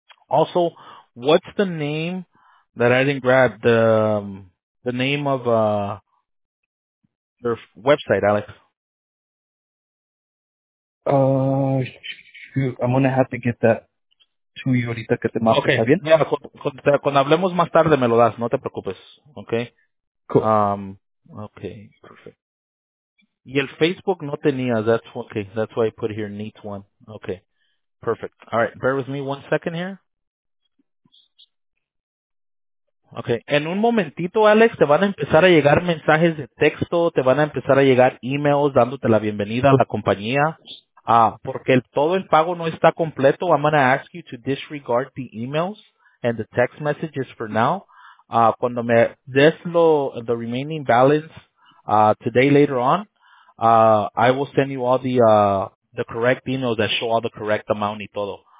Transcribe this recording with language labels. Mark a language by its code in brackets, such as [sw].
[en] Also, what's the name that I didn't grab? The name of your website, Alex? I'm going to have to get that to you [es] ahorita que te mando. [en] Okay. [es] ¿Está bien? Yeah, cuando hablemos más tarde me lo das. No te preocupes. Okay. [en] Cool. Okay, perfect. [es] Y el Facebook no tenías. [en] That's why I put here neat one. Okay, perfect. All right, bear with me one second here. [es] Okay, en un momentito, Alex, te van a empezar a llegar mensajes de texto, te van a empezar a llegar emails dándote la bienvenida a la compañía. Porque todo el pago no está completo. [en] I'm going to ask you to disregard the emails and the text messages for now. [es] Cuando me des [en] the remaining balance today later on, I will send you all the correct emails that show all the correct amount [es] y todo.